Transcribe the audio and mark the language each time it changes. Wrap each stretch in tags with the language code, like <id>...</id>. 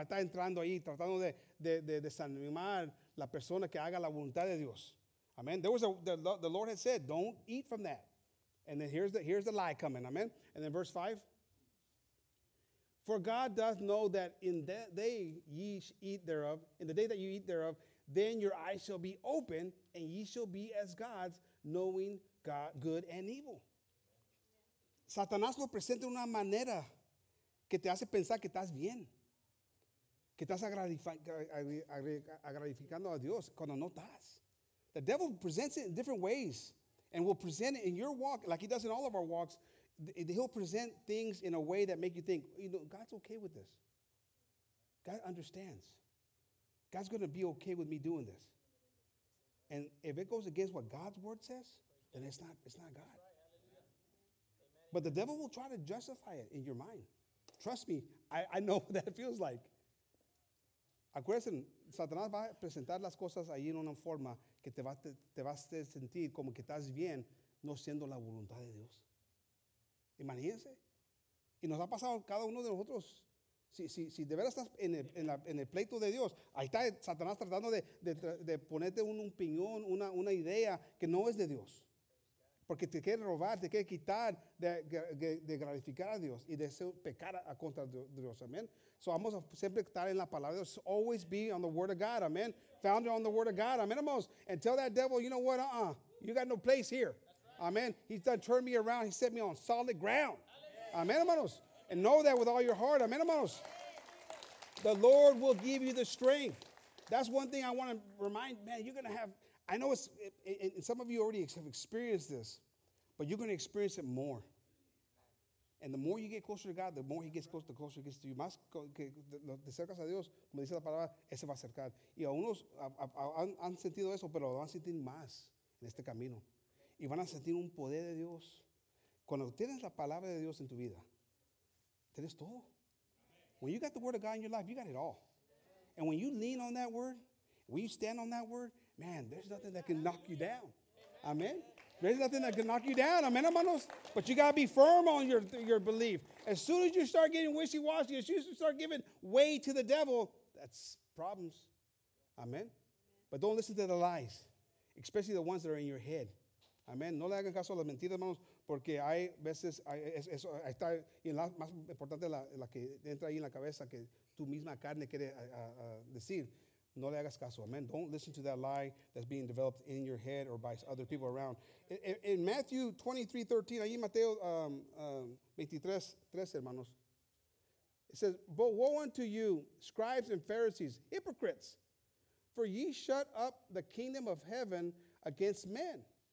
<es>Está entrando ahí, tratando de desanimar la persona que haga la voluntad de Dios. Amen.</es> <en>There was the Lord had said, don't eat from that. And then here's the lie coming. Amen. And then verse 5. For God doth know that in that day ye eat thereof, in the day that you eat thereof, then your eyes shall be open, and ye shall be as gods, knowing God, good and evil.</en> <es>Satanás lo presenta de una manera que te hace pensar que estás bien. Que estás agradificando a Dios cuando no estás.</es> <en>The devil presents it in different ways and will present it in your walk, like he does in all of our walks. He'll present things in a way that make you think, you know, God's okay with this. God understands. God's going to be okay with me doing this. And if it goes against what God's word says, then it's not God. But the devil will try to justify it in your mind. Trust me, I know what that feels like.</en> <es>Acuérdense, Satanás va a presentar las cosas ahí en una forma que te va a sentir como que estás bien no siendo la voluntad de Dios. Imagínense. Y nos ha pasado cada uno de nosotros. Si de veras estás en el pleito de Dios, ahí está Satanás tratando de ponerte un opinión, una idea que no es de Dios. Porque te quiere robar, te quiere quitar de gratificar a Dios y de pecar a contra Dios, amén. So vamos a siempre estar en la palabra de Dios.</es> <en>Always be on the word of God, amén. Founded on the word of God, amén. And tell that devil, you know what, you got no place here. Amén. He's done turned me around. He set me on solid ground. Amén, hermanos. And know that with all your heart, amén, hermanos. The Lord will give you the strength. That's one thing I want to remind, man, you're going to have, I know it's, and some of you already have experienced this, but you're going to experience it more. And the more you get closer to God, the more he gets closer, the closer he gets to you.</en> <es>Más que te acercas a Dios, como dice la palabra, ese va a acercar. Y algunos han sentido eso, pero lo van a sentir más en este camino. Y van a sentir un poder de Dios. Cuando tienes la palabra de Dios en tu vida, tienes todo.</es> <en>When you got the word of God in your life, you got it all. And when you lean on that word, when you stand on that word, man, there's nothing that can knock you down. Amen. There's nothing that can knock you down. Amen, hermanos. But you got to be firm on your belief. As soon as you start getting wishy-washy, as soon as you start giving way to the devil, that's problems. Amen. But don't listen to the lies, especially the ones that are in your head. Amen.</en> <es>No le hagan caso a las mentiras, hermanos, porque hay veces, está más importante la que entra ahí en la cabeza que tu misma carne quiere decir. No le hagas caso. Amen.</es> <en>Don't listen to that lie that's being developed in your head or by other people around. In Matthew 23:13,</en> <es>ahí Mateo 23:13, hermanos.</es> <en>It says, "But woe unto you, scribes and Pharisees, hypocrites, for ye shut up the kingdom of heaven against men.</en>